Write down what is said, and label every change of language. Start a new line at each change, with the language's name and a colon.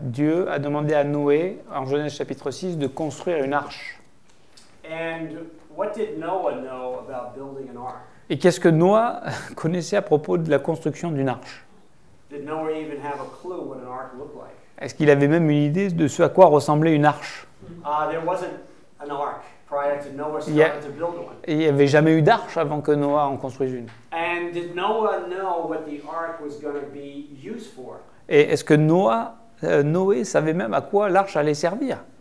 French: Dieu a demandé à Noé en Genèse chapitre 6 de construire une arche.
English: And what did Noah know about building an ark?
French: Et qu'est-ce que Noah connaissait à propos de la construction d'une arche?
English: Did Noah even have a clue what an ark looked like?
French: Est-ce qu'il avait même une idée de ce à quoi ressemblait une arche?
English: There wasn't an ark prior to Noah starting to build one.
French: Il n'y avait jamais eu d'arche avant que Noah en construise une.
English: And did Noah know what the ark was going to be used for?
French: Et est-ce que Noé savait même à quoi l'arche allait servir?